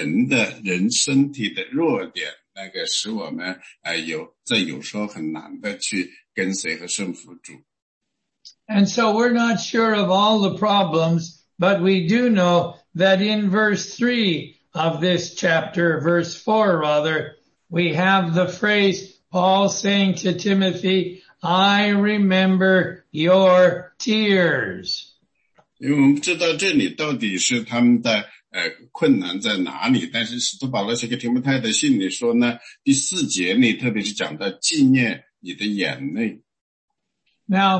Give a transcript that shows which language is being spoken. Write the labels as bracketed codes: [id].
[zh] 实际上呢，其中的一个内容就是我们人身体的弱点。那个使我们有时候很难的去跟随和顺服主。 [en] And so we're not sure of all the problems, but we do know that in verse 3 of this chapter, verse 4 rather, we have the phrase Paul saying to Timothy, I remember your tears. [zh] 因为我们知道这里到底是他们的 困难在哪里,但是使徒保罗写给提摩太的信里说呢,第四节里特别是讲到纪念你的眼泪。 [en] Now,